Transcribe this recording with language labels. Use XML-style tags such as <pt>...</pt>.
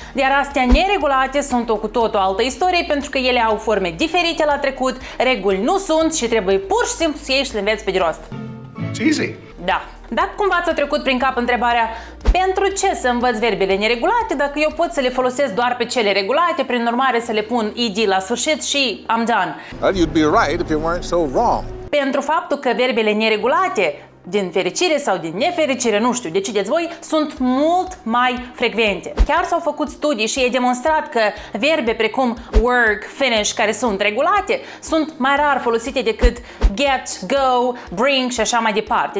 <ro>Iar astea neregulate sunt o cu totul altă istorie pentru că ele au forme diferite la trecut, reguli nu sunt și trebuie pur și simplu să iei și le înveți pe de rost.</ro> <en>It's easy.</en> <ro>Da. Dacă cumva ți-a trecut prin cap întrebarea pentru ce să învăț verbele neregulate dacă eu pot să le folosesc doar pe cele regulate, prin urmare să le pun ed la sfârșit și</ro> <en>I'm done. Well, you'd be right if you weren't so wrong.</en> <ro>Pentru faptul că verbele neregulate, din fericire sau din nefericire, nu știu, decideți voi, sunt mult mai frecvente. Chiar s-au făcut studii și e demonstrat că verbe precum work, finish, care sunt regulate, sunt mai rar folosite decât get, go, bring și așa mai departe.</ro>